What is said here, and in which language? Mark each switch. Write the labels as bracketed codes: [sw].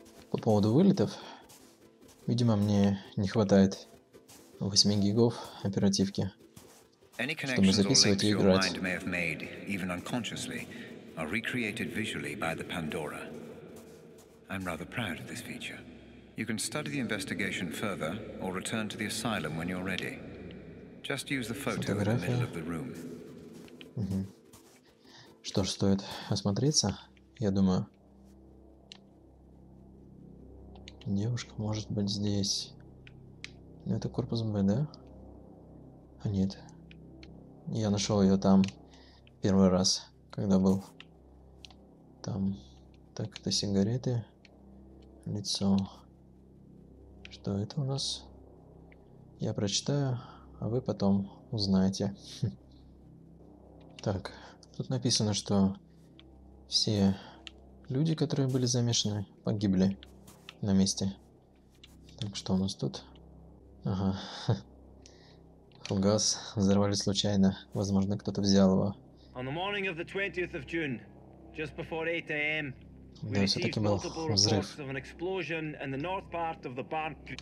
[ru] По поводу вылетов, видимо, мне не хватает 8 гигов оперативки. [en] Any connections or links your mind may have made, even unconsciously, are recreated visually by the Pandora. I'm rather proud of this feature. You can study the investigation further, or return to the asylum when you're ready. Just use the photo in the middle of the room. [ru] Угу. Что ж, стоит осмотреться, я думаю. Девушка может быть здесь. Это корпус Б, да? А нет. Я нашел ее там первый раз, когда был там. Так, это сигареты. Лицо. Что это у нас? Я прочитаю, а вы потом узнаете. Так, тут написано, что все люди, которые были замешаны, погибли на месте. Так, что у нас тут? Ага. Газ взорвали случайно. Возможно, кто-то взял его. [en] On the morning of the 20th of June, just before 8 a.m., we received multiple reports of an explosion in the north part of the barn.